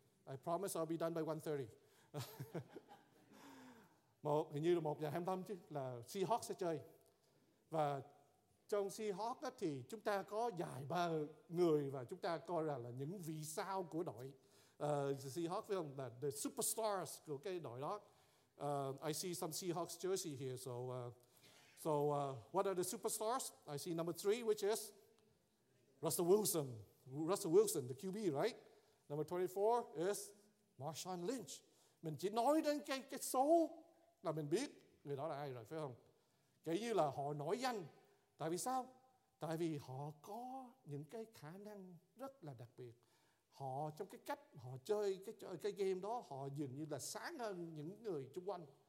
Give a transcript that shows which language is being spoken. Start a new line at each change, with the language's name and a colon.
English: I promise I'll be done by 1:30.
Vietnamese: Hình như là 1:25 chứ, là Seahawks sẽ chơi. Và trong Seahawks á, thì chúng ta có dài ba người và chúng ta coi rằng là những vì sao của đội Seahawks, phải không? Là
English: the superstars
Vietnamese: của cái đội đó.
English: I see some Seahawks jersey here, so what are the superstars? I see number 3, which is Russell Wilson, the QB, right? Number 24 is Marshawn Lynch.
Vietnamese: Mình chỉ nói đến cái số là mình biết người đó là ai rồi, phải không? Kể như là họ nổi danh. Tại vì sao? Tại vì họ có những cái khả năng rất là đặc biệt. Họ trong cái cách họ chơi cái game đó, họ dường như là sáng hơn những người xung quanh.